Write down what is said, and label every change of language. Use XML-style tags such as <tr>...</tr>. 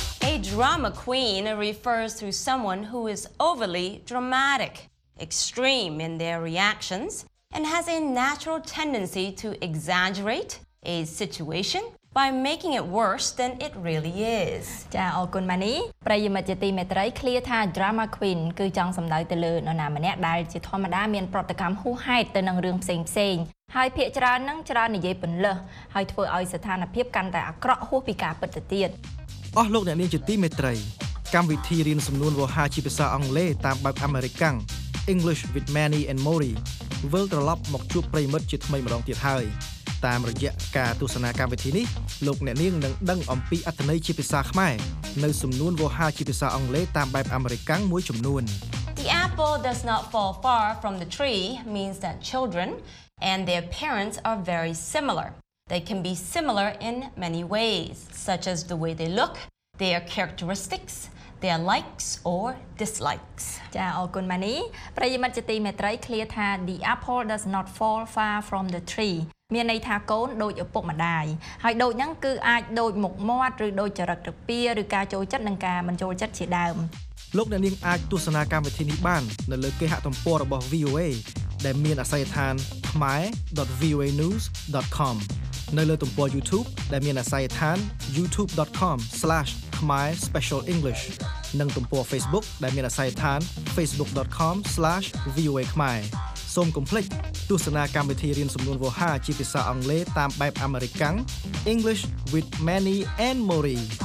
<en>A drama queen refers to someone who is overly dramatic, extreme in their reactions and has a natural tendency to exaggerate a situation. By making it worse than it really is.</en> <km>ចាអរគុណម៉ានីប្រិយមិត្តជាទីមេត្រី clear ថា drama queen គឺចង់សម្ដៅទៅលើនរណាម្នាក់ដែលជាធម្មតាមានប្រតិកម្មហួសហេតុទៅនឹងរឿងផ្សេងផ្សេងហើយភាកច្រើននឹងច្រើននិយាយពន្លើសហើយធ្វើឲ្យស្ថានភាពកាន់តែអាក្រក់ហួសពីការពិតទៅទៀត អស់លោកអ្នកនាងជាទីមេត្រីកម្មវិធីរៀនសំនួនវោហារជាភាសាអង់គ្លេសតាមបែបអាមេរិកាំង English with Manny and Mori វិលត្រឡប់មកជួបប្រិយមិត្តជាថ្មីម្ដងទៀតហើយតាមរយៈការទស្សនាកម្មវិធីនេះលោកអ្នកនាងនឹងដឹងអំពីអត្ថន័យជាភាសាខ្មែរនៅសំនួនវោហារជាភាសាអង់គ្លេសតាមបែបអាមេរិកាំងមួយចំនួន</km> <en>The apple does not fall far from the tree means that children and their parents are very similar. They can be similar in many ways such as the way they look, their characteristics, their likes or dislikes.</en> <km>ចាអរគុណម៉ានីប្រិយមិត្តជាទីមេត្រី clear ថា</km> <en>The apple does not fall far from the tree.</en> <km>មានន័យថាកូនដូចឪពុកម្ដាយហើយដូចហ្នឹងគឺអាចដូចមុខមាត់ឬដូចចរិតឬពីឬការចូលចិត្តនឹងការមិនចូលចិត្តជាដើម លោកអ្នកនាងអាចទស្សនាកម្មវិធីនេះបាននៅលើគេហទំព័ររបស់ VOA ដែលមានអាសយដ្ឋាន khmae.voanews.com នៅលើទំព័រ YouTube ដែលមានអាសយដ្ឋាន youtube.com/khmaespecialenglish និងទំព័រ Facebook ដែលមានអាសយដ្ឋាន facebook.com/voakhmae សូមកុំភ្លេចទស្សនាកម្មវិធីរៀនសំនួនវោហារជាភាសាអង់គ្លេសតាមបែបអាមេរិកាំង English with Manny and Mori</km>